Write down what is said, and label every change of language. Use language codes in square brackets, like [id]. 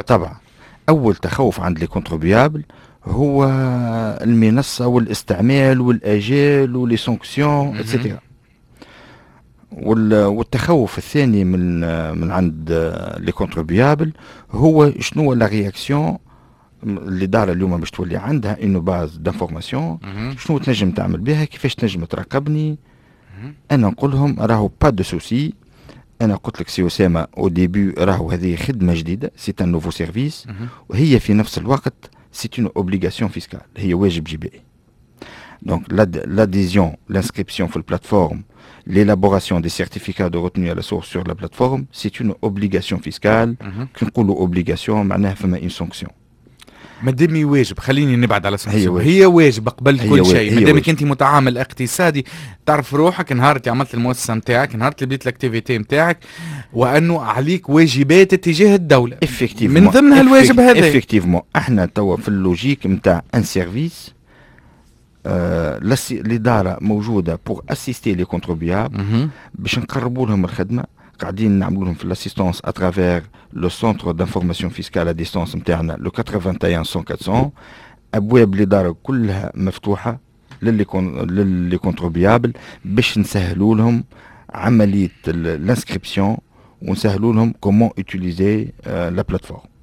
[ar] طبعا اول تخوف عند لي كونتروبيابل هو المنصه والاستعمال والاجيال ولي سانكسيون اتسيتيرا، والتخوف الثاني من عند لي كونتروبيابل هو شنو لا رياكسيون الاداره اليوم باش تولي عندها اون باز دانفورماسيون، شنو تنجم تعمل بها، كيفاش تنجم تراقبني. انا نقول لهم راهو با دو سوسي، انا قلت لك سي اسامه او ديبي راهو هذه خدمه جديده سي ان نوفو سيرفيس، وهي في نفس الوقت سي اون اوبليغاسيون فيسكال، هي واجب جبائي. دونك لاديزيون لانسكريبسيون في البلاتفورم [fr] l'élaboration des certificats de retenue à la source sur la plateforme, c'est une obligation fiscale. Qu'on appelle obligation, c'est une sanction. [ar] مادامي واجب خليني نبعد على سنة هي واجب قبل كل شيء، مادامك انت متعامل اقتصادي تعرف روحك نهار اللي عملت المؤسسه نتاعك، نهار اللي بديت الاكتيفيتي نتاعك، وانه عليك واجبات تجاه الدوله من ضمنها الواجب هذا. افكتيفمون احنا توا في اللوجيك نتاع ان سيرفيس الاداره موجوده بور اسيستي لي كونتروبيابل باش نقربوا لهم الخدمه، قاعدين نعملوا لهم في الاسيستونس اترافير لو سونتر دانفورماسيون فيسكال ا ديستونس نتاعنا لو 81 100 400، ابواب الاداره كلها مفتوحه للي كونتروبيابل باش نسهلوا لهم عمليه الانسكريبسيون ونسهلوا لهم كومون يوتيليزي لا بلاتفورم.